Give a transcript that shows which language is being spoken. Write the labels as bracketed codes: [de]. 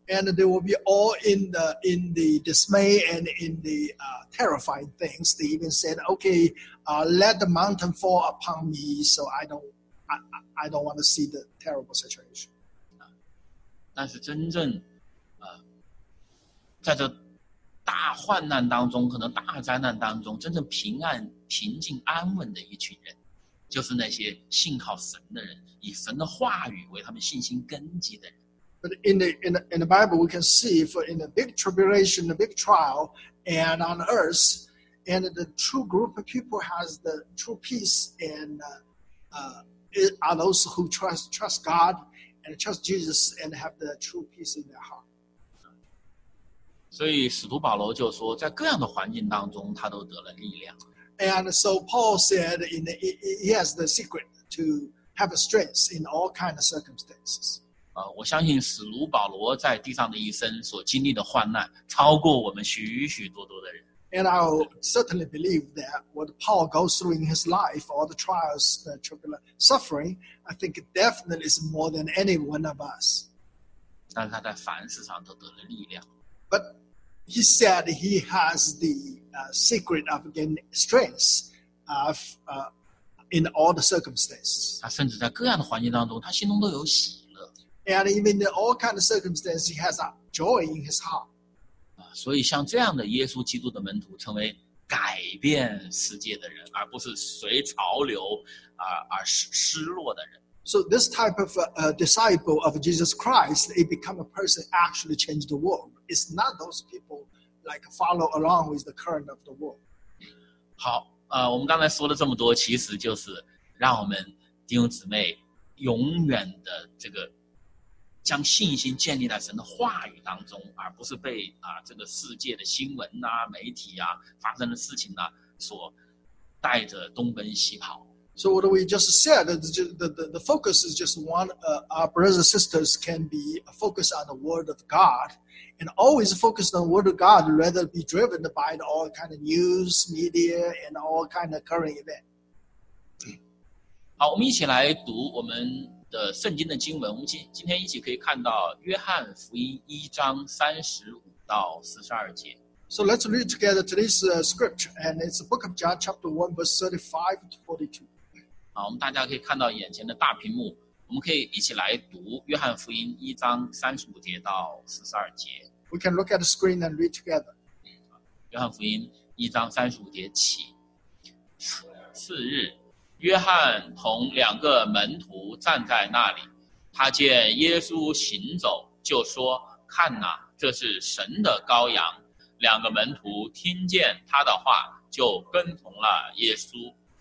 [en] And they will be all in the dismay and in the terrifying things. They even said, "Okay, let the mountain fall upon me, so I don't want to see the terrible situation." [zh] 但是真正，在这。大患难当中，可能大灾难当中，真正平安、平静、安稳的一群人，就是那些信靠神的人，以神的话语为他们信心根基的人。 [en] But in the Bible, we can see for in the big tribulation, the big trial, and on earth, and the true group of people has the true peace, and are those who trust God and trust Jesus and have the true peace in their heart. [zh] 所以使徒保罗就说，在各样的环境当中，他都得了力量。 [en] And so Paul said, he has the secret to have strength in all kinds of circumstances. [zh] 我相信使徒保罗在地上的一生所经历的患难，超过我们许许多多的人。 [en] And I certainly believe that what Paul goes through in his life, all the trials, the tribulation, suffering, I think definitely is more than any one of us. [zh] 但是他在凡事上都得了力量。 [en] But he said he has the secret of getting strength of in all the circumstances. [zh] 他甚至在各样的环境当中，他心中都有喜乐。 [en] And even in all kinds of circumstances, he has a joy in his heart. [zh] 所以像这样的耶稣基督的门徒，成为改变世界的人，而不是随潮流而失落的人。 [en] So this type of a disciple of Jesus Christ, it become a person actually change the world. It's not those people like follow along with the current of the world. [zh] 好，我们刚才说了这么多，其实就是让我们弟兄姊妹永远的这个将信心建立在神的话语当中，而不是被这个世界的新闻啊、媒体啊发生的事情啊所带着东奔西跑。 [en] So what we just said, the focus is just one, our brothers and sisters can be focused on the word of God and always focused on the word of God rather be driven by all kind of news, media, and all kind of current event. [zh] 好，我们一起来读我们的圣经的经文。我们今天一起可以看到约翰福音一章三十五到四十二节。 [en] So let's read together today's scripture, and it's the book of John chapter 1 verse 35 to 42. [zh] 好，我们大家可以看到眼前的大屏幕，我们可以一起来读约翰福音一章三十五节到四十二节。 [en] We can look at the screen and read together. [zh] 约翰福音一章三十五节起。次日，约翰同两个门徒站在那里，他见耶稣行走，就说：“看哪，这是神的羔羊。” 两个门徒听见他的话，就跟从了耶稣。